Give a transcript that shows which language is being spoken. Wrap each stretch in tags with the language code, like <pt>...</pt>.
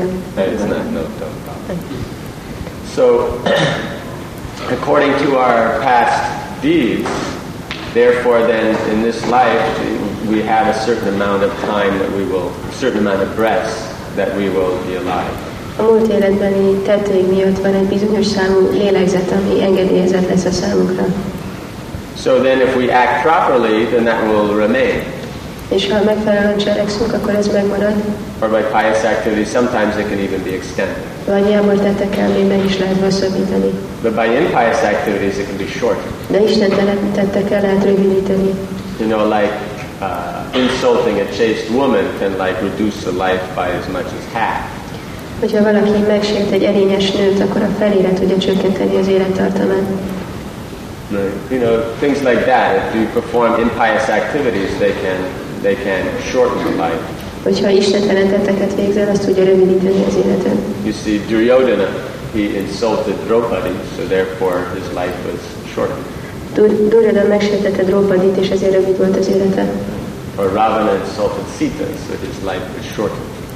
<en>it. It's not, no, don't bother. So, according to our past deeds, therefore, then, in this life, we have a certain amount of time that we will, a certain amount of breaths that we will be alive.</en> <hu>A múlt életbeli tetteink miatt van egy bizonyos számú lélegzet, ami engedélyezett lesz a számunkra.</hu> <en>So then if we act properly, then that will remain.</en> <hu>És ha megfelelően cselekszünk, akkor ez megmarad.</hu> <en>Or by pious activity, sometimes it can even be extended.</en> <hu>Vagy jámortettekkel még meg is lehet hosszabbítani.</hu> <en>But by impious activities, it can be shortened.</en> <hu>De istentelenítettekkel lehet rövidíteni.</hu> <en>You know, like insulting a chaste woman can like reduce the life by as much as half.</en> <hu>Hogyha valaki megsért egy erényes nőt, akkor a felére tudja csökkenteni az élettartamát.</hu> <en>You know, things like that. If you perform impious activities, they can shorten your life.</en> <hu>Hogyha istentelen tetteket végzel, azt tudja rövidíteni az életet.</hu> <en>You see, Duryodhana, he insulted Draupadi, so therefore his life was shortened.</en> <hu>Duryodhana megsértette Draupadit, és ezért rövid volt az élete.</hu> <en>Or Ravana insulted Sita, so his life was shortened.</en>